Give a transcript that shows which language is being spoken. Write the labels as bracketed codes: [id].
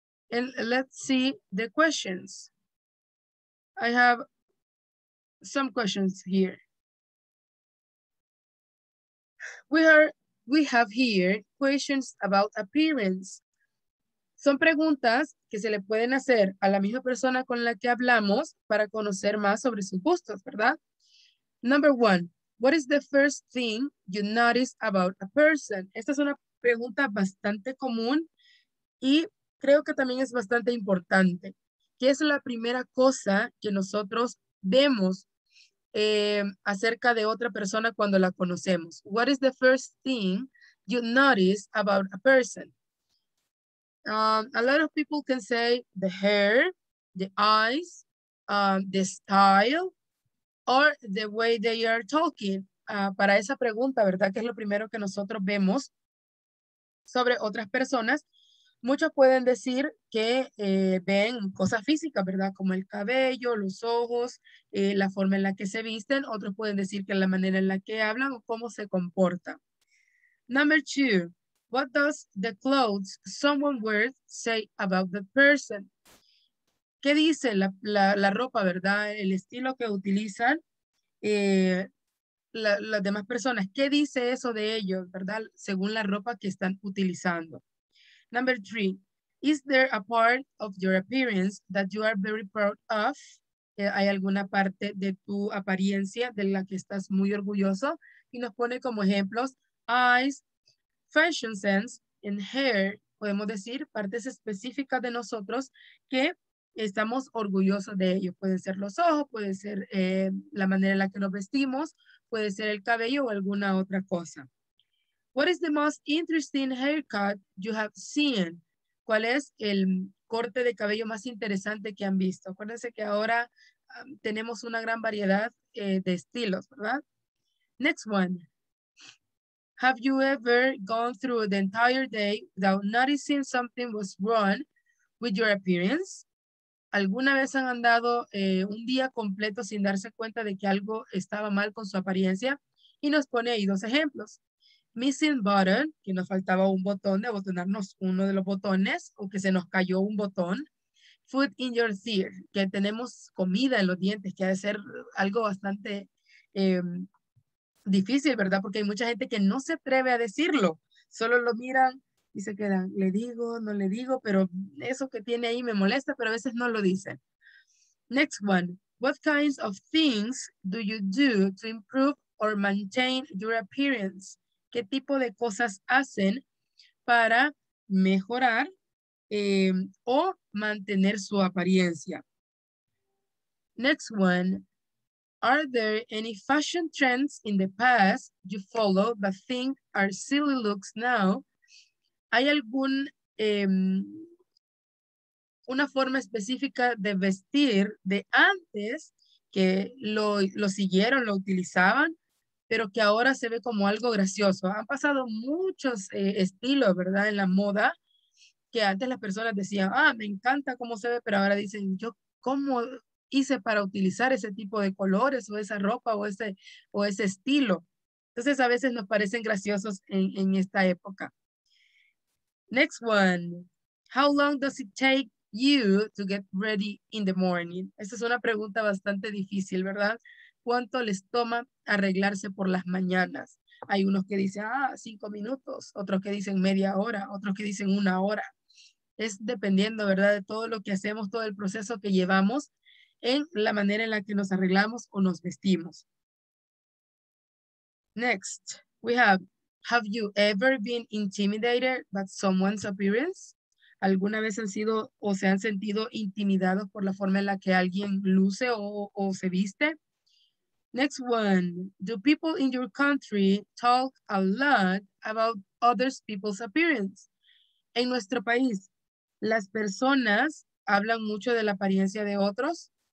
[en] And let's see the questions. I have some questions here. We have here questions about appearance. [es] Son preguntas que se le pueden hacer a la misma persona con la que hablamos para conocer más sobre sus gustos, ¿verdad? [en] Number one, what is the first thing you notice about a person? [es] Esta es una pregunta bastante común y creo que también es bastante importante. ¿Qué es la primera cosa que nosotros vemos acerca de otra persona cuando la conocemos? [en] What is the first thing you notice about a person? A lot of people can say the hair, the eyes, the style, or the way they are talking. [es] Para esa pregunta, ¿verdad? Que es lo primero que nosotros vemos sobre otras personas. Muchos pueden decir que ven cosas físicas, ¿verdad? Como el cabello, los ojos, la forma en la que se visten. Otros pueden decir que la manera en la que hablan o cómo se comporta. [en] Number two, what does the clothes someone wears say about the person? [es] ¿Qué dice la ropa, ¿verdad? El estilo que utilizan las demás personas. ¿Qué dice eso de ellos, ¿verdad? Según la ropa que están utilizando. [en] Number three, is there a part of your appearance that you are very proud of? [es] ¿Hay alguna parte de tu apariencia de la que estás muy orgulloso? Y nos pone como ejemplos, [en] eyes, fashion sense, and hair. [es] Podemos decir partes específicas de nosotros que estamos orgullosos de ello. Pueden ser los ojos, puede ser la manera en la que nos vestimos, puede ser el cabello o alguna otra cosa. [en] What is the most interesting haircut you have seen? [es] ¿Cuál es el corte de cabello más interesante que han visto? Acuérdense que ahora tenemos una gran variedad de estilos, ¿verdad? [en] Next one. Have you ever gone through the entire day without noticing something was wrong with your appearance? [es] ¿Alguna vez han andado un día completo sin darse cuenta de que algo estaba mal con su apariencia? Y nos pone ahí dos ejemplos. [en] Missing button, [es] que nos faltaba un botón de abotonarnos uno de los botones o que se nos cayó un botón. [en] Food in your teeth, [es] que tenemos comida en los dientes, que ha de ser algo bastante difícil, ¿verdad? Porque hay mucha gente que no se atreve a decirlo, solo lo miran y se quedan, le digo, no le digo, pero eso que tiene ahí me molesta, pero a veces no lo dicen. [en] Next one, what kinds of things do you do to improve or maintain your appearance? [es] ¿Qué tipo de cosas hacen para mejorar o mantener su apariencia? [en] Next one. Are there any fashion trends in the past you follow but think are silly looks now? [es] ¿Hay algún una forma específica de vestir de antes que lo siguieron, lo utilizaban? Pero que ahora se ve como algo gracioso. Han pasado muchos estilos, ¿verdad? En la moda, que antes las personas decían, ah, me encanta cómo se ve, pero ahora dicen, yo, ¿cómo hice para utilizar ese tipo de colores o esa ropa o ese estilo? Entonces, a veces nos parecen graciosos en esta época. [en] Next one. How long does it take you to get ready in the morning? [es] Esa es una pregunta bastante difícil, ¿verdad? ¿Cuánto les toma arreglarse por las mañanas? Hay unos que dicen, cinco minutos. Otros que dicen media hora. Otros que dicen una hora. Es dependiendo, ¿verdad? De todo lo que hacemos, todo el proceso que llevamos en la manera en la que nos arreglamos o nos vestimos. [en] Next, we have you ever been intimidated by someone's appearance? [es] ¿Alguna vez han sido o se han sentido intimidados por la forma en la que alguien luce o se viste? [en] Next one, do people in your country talk a lot about other people's appearance? [es] En nuestro país, ¿las personas hablan mucho de la apariencia de otros?